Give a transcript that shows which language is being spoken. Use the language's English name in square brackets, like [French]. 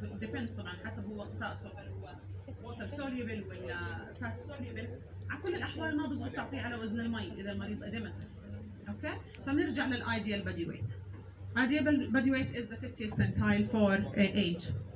[English] It depends [Arabic] طبعاً حسب هو اختصاصه. [English] water soluble [Arabic] ولا [English] fat soluble. [Arabic] على كل الأحوال ما بزبط تعطيه على وزن المي إذا المريض أدمت بس. أوكي؟ فنرجع لل [English] ideal body weight. Ideal body weight is the 50th centile for age.